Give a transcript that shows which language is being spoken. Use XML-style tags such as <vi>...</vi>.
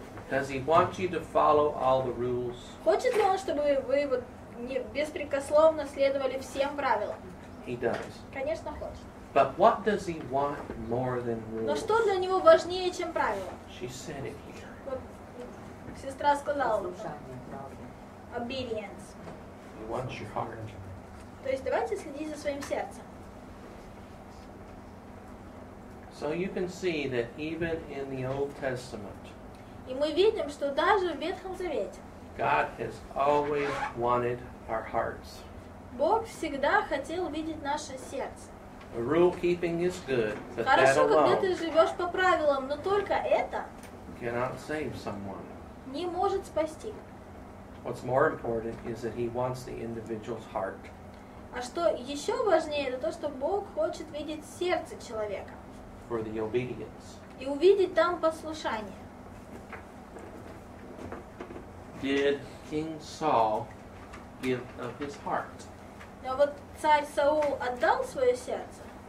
<en>Does he want you to follow all the rules?</en> <ru>Хочет ли он, чтобы вы вот не беспрекословно следовали всем правилам?</ru> <en>He does.</en> <ru>Конечно, хочет.</ru> <en>But what does he want more than rules?</en> <ru>Но что для него важнее, чем правила?</ru> <en>She said it here.</en> <ru>Вот сестра сказала.</ru> <en>Obedience. He wants your heart.</en> <ru>То есть давайте следить за своим сердцем.</ru> <en>So you can see that even in the Old Testament.</en> <ru>И мы видим, что даже в Ветхом Завете.</ru> <en>God has always wanted our hearts.</en> <ru>Бог всегда хотел видеть наше сердце.</ru> <en>The rule keeping is good, but</en> <ru>хорошо,</ru> <en>that alone.</en> <ru>Хорошо, когда ты живешь по правилам, но только это.</ru> <en>Cannot save someone.</en> <ru>Не может спасти.</ru> <en>What's more important is that He wants the individual's heart.</en> <ru>А что еще важнее, это то, что Бог хочет видеть сердце человека.</ru> <en>For the obedience.</en> <ru>И увидеть там послушание.</ru> <en>Did King Saul give of his heart?</en> <ru>Но вот царь Саул отдал свое сердце?</ru>